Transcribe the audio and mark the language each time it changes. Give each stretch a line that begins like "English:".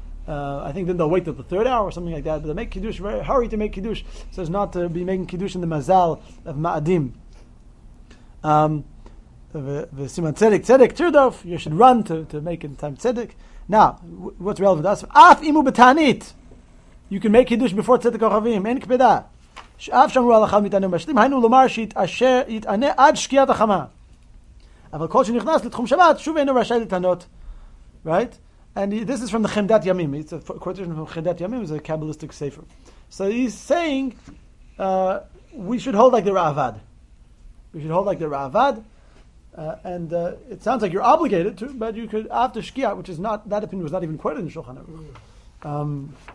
English: I think then they'll wait till the third hour or something like that. But they make kiddush, very hurry to make kiddush, so as not to be making kiddush in the mazal of ma'adim. The siman tzedek tzedek tirdof, you should run to make it in time tzedek. Now, what's relevant to us?
Hebrew: Af imu betanit,
English: you can make kiddush before tzedek kochavim.
Hebrew: En kpeda. שאף שמרו הלכה ומתענה ומשלים, היינו לומר שיתענה עד שקיעת החמה. אבל כל שנכנס לתחום שבת, שוב אינו רשאי לתענות.
English: Right? And this is from the Chemdat Yamim. It's a quotation from Chemdat Yamim, it's a Kabbalistic sefer. So he's saying, we should hold like the Ra'avad. We should hold like the Ravad. And it sounds like you're obligated to, but you could, after Shkia, which is not, that opinion was not even quoted in Shulchan Aruch.